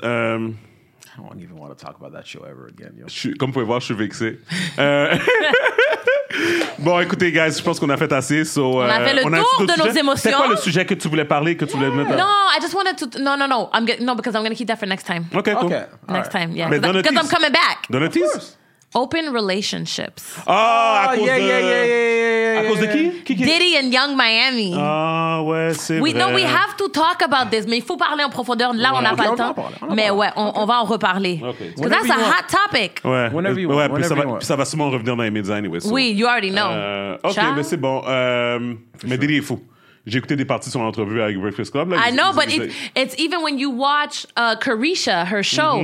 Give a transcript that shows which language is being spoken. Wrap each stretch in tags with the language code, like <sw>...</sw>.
<en>I don't even want to talk about that show ever again. Yo.</en> <fr>Comme vous pouvez voir, je suis vexé. Bon, écoutez, guys, je pense qu'on a fait assez.</fr> <en>So,</en> <fr>on a fait le tour de nos émotions. C'est quoi le sujet que tu voulais parler, que tu voulais mettre?</fr> <en>No, I just wanted to... No. No, because I'm going to keep that for next time. Okay, cool. Okay. Next time, yeah. Because I'm coming back. Don't tease. Open relationships.</en> <fr>À cause de qui?</fr> <en>Diddy and Young Miami.</en> <fr>Ah, ouais, c'est</fr> <en>we,</en> <fr>vrai.</fr> <en>No, we have to talk about this.</en> <fr>Mais il faut parler en profondeur.</fr> <en>Là,</en> <fr>ouais. on n'a pas le temps. Mais ouais, on va en reparler.</fr> <en>Okay. Because that's a hot topic.</en> <fr>Ouais.</fr> <en>Whenever you want.</en> <fr>Ouais, puis ça va sûrement revenir dans les médias anyway.</fr> <en>So. Oui, you already know. OK, Child?</en> <fr>Mais c'est bon. Mais Diddy est fou. J'ai écouté des parties de son entrevue avec Breakfast Club. Là,</fr> <en>I know, but it's even when you watch Carisha, her show...</en>